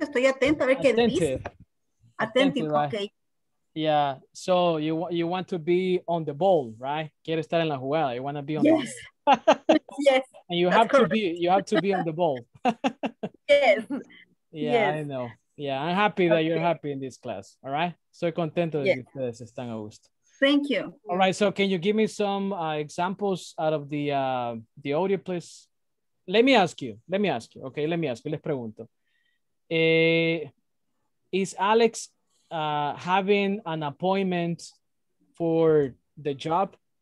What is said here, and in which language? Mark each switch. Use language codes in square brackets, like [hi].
[es] Estoy atenta a ver qué dice. [en] Atentive. Okay. Yeah. So you want to be on the ball, right? [es] Quiere estar en la jugada. [en] You want to be on yes. The yes. And you have to be on the ball. Yes. Yeah, yes. I know. Yeah, I'm happy that you're happy in this class. All right. [es] Soy contento de que ustedes están a gusto. [en] Thank you. All right. So can you give me some examples out of the audio, please? Let me ask you. Okay, let me ask you. [es] Les pregunto. [en] Is Alex having an appointment for the job?